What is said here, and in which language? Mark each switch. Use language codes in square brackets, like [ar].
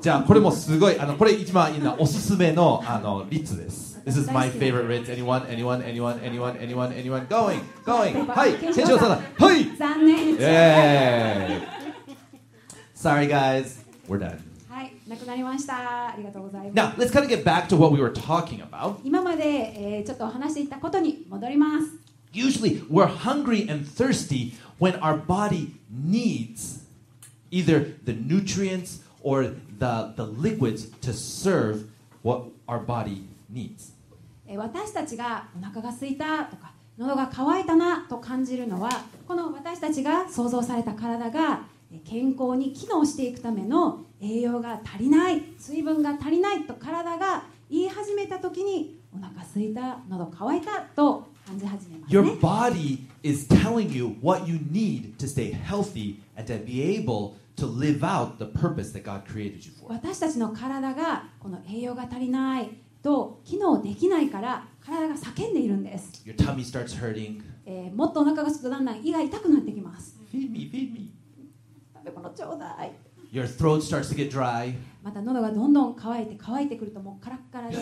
[ja] じゃあ、これもすごい、これ一番いいのおすすめの、リッツです。 [en] This is my favorite ritz. Anyone? Anyone? Anyone? Anyone? Anyone? Anyone? Going? Going? [ja] はい、検証さん。はい。残念です。 [en] Sorry, guys. We're done. [ja] はい、なくなりました。ありがとうございます。 [en] Now, let's kind of get back to what we were talking about. [ja] 今まで、ちょっと話していたことに戻ります。 [en] Usually, we're hungry and thirsty when our body needs either the nutrients or the liquids to serve what our body needs. [ja] 私たちがお腹が空いたとか、喉が渇いたなと感じるのは、この私たちが創造された体が健康に機能していくための栄養が足りない、水分が足りないと体が言い始めたときにお腹空いた、喉乾いたと感じ始めますね。 [en] Your body is telling you what you need to stay healthy and to be able to live out the purpose that God created you for. [ja] 私たちの体がこの栄養が足りないと機能できないから体が叫んでいるんです。 [en] Your tummy starts hurting. [ja] もっとお腹が空くとだんだん胃が痛くなってきます。 [en] Feed me. [ja] ちょうだい。 [en] Your throat starts to get dry. [ja] また喉がどんどん乾いて乾いてくるともうカラッカラで。